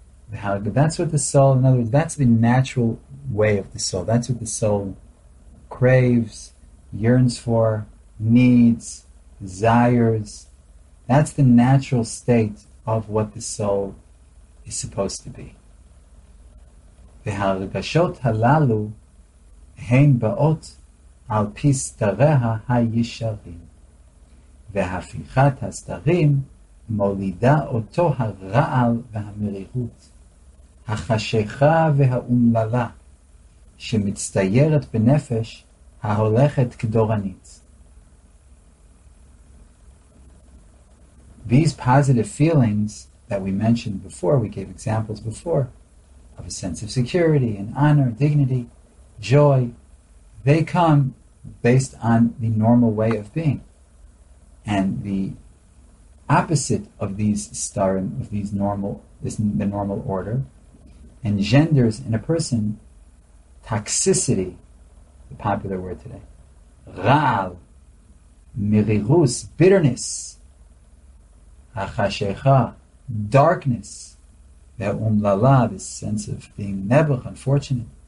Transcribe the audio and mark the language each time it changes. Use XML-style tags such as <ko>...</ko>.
<en>That's what the soul, in other words, that's the natural way of the soul. That's what the soul craves, yearns for, needs, desires. That's the natural state of what the soul is supposed to be.</en> <he>והרגשות הללו הן באות על פי סתריה הישרים. והפיכת הסתרים מולידה אותו הרעל והמרירות, החשיכה והאומללה, שמצטיירת בנפש ההולכת כדורנית.</he> <en>These positive feelings that we mentioned before, we gave examples before, of a sense of security and honor, dignity, joy, they come based on the normal way of being. And the opposite of these starim, of these normal, this, the normal order, engenders in a person toxicity, the popular word today, ra'al, mirirus, bitterness, achashecha, darkness, ve'umlala, this sense of being nebuch, unfortunate,</en>